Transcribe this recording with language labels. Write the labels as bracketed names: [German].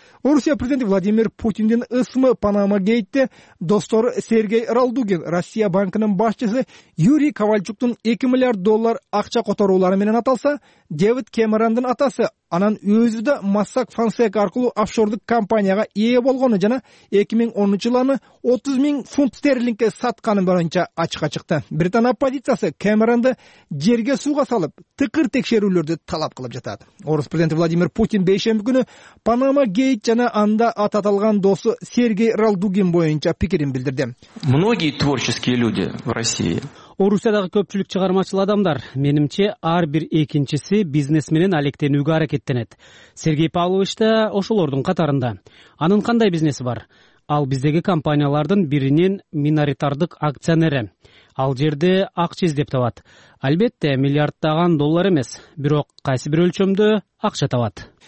[Kyrgyz] Орусия президенти Владимир Путиндин ысмы Панама Гейтте, достору Сергей Ралдугин, Россия банкынын башчысы Юрий Ковальчуктун 2 миллиард доллар акча которуулары менен аталса, Дэвид Кэмерондун атасы, анан өзү да Mossack Fonseca аркылуу офшордук компанияга ээ болгону жана 2010-жылы аны 30 000 фунт стерлингке сатканы боюнча ачыкка чыкты. Британ оппозициясы Кэмеронду жерге сууга салып, тыкыр текшерүүлөрдү талап кылып жатат. Орус президенти Владимир Путин бейшемби күнү Панама Гейт жана анда ат аталган досу Сергей Ралдугин боюнча пикирин билдирди. [Russian] Многие творческие люди в России. [Kyrgyz] Орусиядагы көпчүлүк чыгармачыл адамдар, менимче ар бир экинчиси бизнес менен алектенүүгө аракеттенет. Сергей Павлович да ошолордун катарында. Анын кандай бизнеси бар? Ал биздеги компаниялардын биринин миноритардык акционери. Ал жерде акча издеп табат. Албетте, миллиарддаган доллар эмес, бирок кайсы бир өлчөмдө акча табат.